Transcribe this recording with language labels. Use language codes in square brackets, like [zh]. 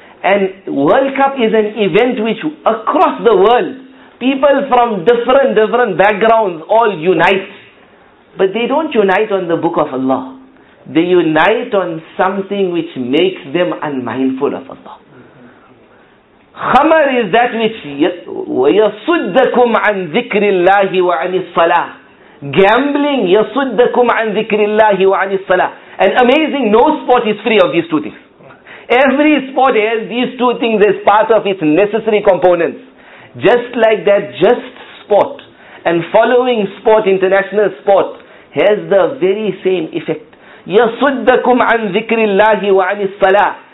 [en] And World Cup is an event which across the world, people from different backgrounds all unite. But they don't unite on the Book of Allah. They unite on something which makes them unmindful of Allah. Khamar is that which [ar] وَيَصُدَّكُمْ عَنْ ذِكْرِ اللَّهِ وَعَنِ الصَّلَاةِ. [en] Gambling, [ar] يَصُدَّكُمْ عَنْ ذِكْرِ اللَّهِ وَعَنِ الصَّلَاةِ. [en] And amazing, no sport is free of these two things. Every sport has these two things as part of its necessary components. Just like that, just sport and following sport, international sport, has the very same effect. [ar] يَصُدَّكُمْ عَنْ ذِكْرِ اللَّهِ وَعَنِ الصَّلَاةِ.